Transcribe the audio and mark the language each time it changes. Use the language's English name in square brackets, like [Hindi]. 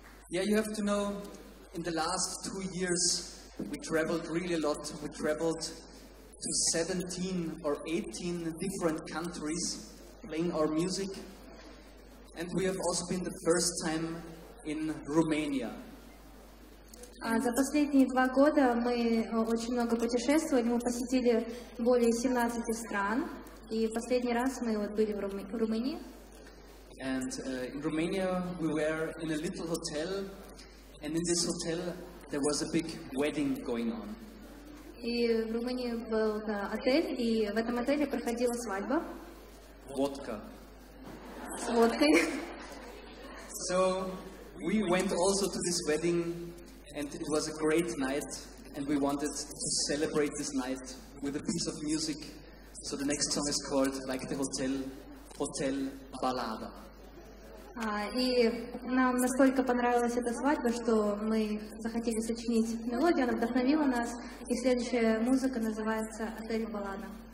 [English] Yeah, you have to know, in the last 2 years, we traveled really a lot. We traveled to 17 or 18 different countries playing our music. And we have also been the first time in Romania. [Russian] За последние два года мы очень много путешествовали, мы посетили более 17 стран, и последний раз мы вот были в Румынии. [English] And in Romania we were in a little hotel, and in this hotel there was a big wedding going on. [Russian] И в Румынии был отель, и в этом отеле проходила свадьба. Водка. С водкой. [English] So we went also to this wedding. And it was a great night, and we wanted to celebrate this night with a piece of music. So the next song is called, like the hotel, Hotel Ballada. [Russian] И нам настолько понравилась эта свадьба, что мы захотели сочинить мелодию, она вдохновила нас, и следующая музыка называется Отель Баллада.